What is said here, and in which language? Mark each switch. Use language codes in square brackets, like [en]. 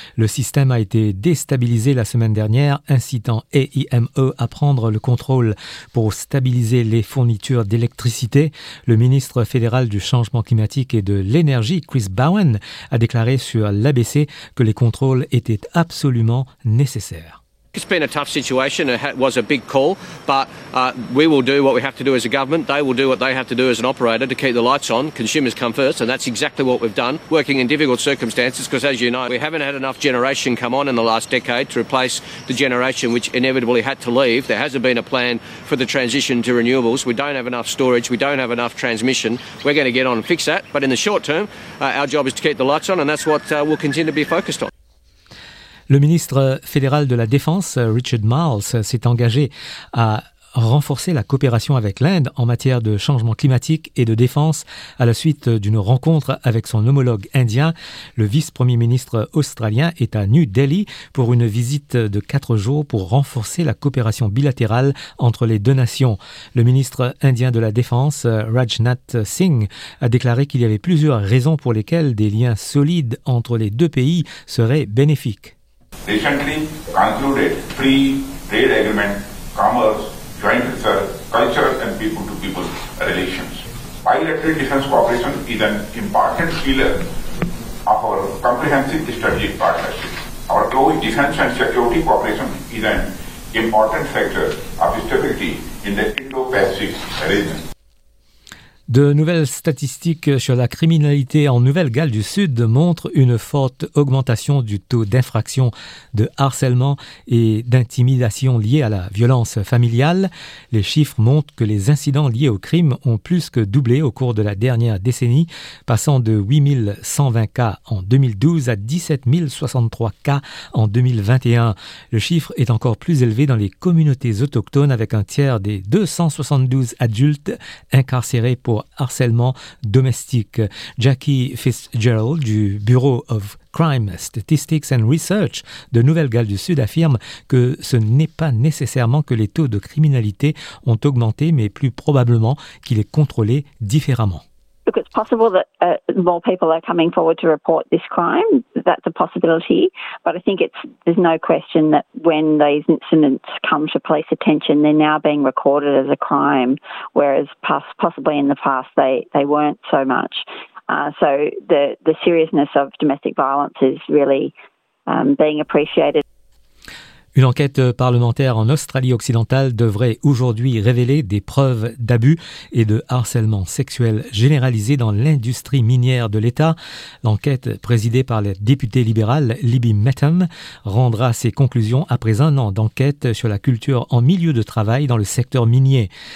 [fr] Le système a été déstabilisé la semaine dernière, incitant AEMO à prendre le contrôle pour stabiliser les fournitures d'électricité. Le ministre fédéral du changement climatique et de l'énergie, Chris Bowen, a déclaré sur l'ABC que les contrôles étaient absolument nécessaires. [en] It's been a tough situation. It was a big call, but we will do what we have to do as a government. They will do what they have to do as an operator to keep the lights on. Consumers come first, and that's exactly what we've done, working in difficult circumstances, because as you know, we haven't had enough generation come on in the last decade to replace the generation which inevitably had to leave. There hasn't been a plan for the transition to renewables. We don't have enough storage. We don't have enough transmission. We're going to get on and fix that. But in the short term, our job is to keep the lights on, and that's what we'll continue to be focused on. [fr] Le ministre fédéral de la Défense, Richard Marles, s'est engagé à renforcer la coopération avec l'Inde en matière de changement climatique et de défense à la suite d'une rencontre avec son homologue indien. Le vice-premier ministre australien est à New Delhi pour une visite de 4 jours pour renforcer la coopération bilatérale entre les deux nations. Le ministre indien de la Défense, Rajnath Singh, a déclaré qu'il y avait plusieurs raisons pour lesquelles des liens solides entre les deux pays seraient bénéfiques. [en] Recently concluded free trade agreement, commerce, joint research, culture and people-to-people relations. Bilateral defense cooperation is an important pillar of our comprehensive strategic partnership. Our close defense and security cooperation is an important factor of stability in the Indo-Pacific region. [fr] De nouvelles statistiques sur la criminalité en Nouvelle-Galles du Sud montrent une forte augmentation du taux d'infraction de harcèlement et d'intimidation liée à la violence familiale. Les chiffres montrent que les incidents liés au crime ont plus que doublé au cours de la dernière décennie, passant de 8120 cas en 2012 à 17063 cas en 2021. Le chiffre est encore plus élevé dans les communautés autochtones, avec un tiers des 272 adultes incarcérés pour harcèlement domestique. Jackie Fitzgerald du Bureau of Crime Statistics and Research de Nouvelle-Galles du Sud affirme que ce n'est pas nécessairement que les taux de criminalité ont augmenté, mais plus probablement qu'il est contrôlé différemment. [en] Look, it's possible that more people are coming forward to report this crime. That's a possibility. But I think there's no question that when these incidents come to police attention, they're now being recorded as a crime, whereas possibly in the past they weren't so much. So the seriousness of domestic violence is really being appreciated. [fr] Une enquête parlementaire en Australie-Occidentale devrait aujourd'hui révéler des preuves d'abus et de harcèlement sexuel généralisé dans l'industrie minière de l'État. L'enquête, présidée par la députée libérale Libby Metham, rendra ses conclusions après un an d'enquête sur la culture en milieu de travail dans le secteur minier.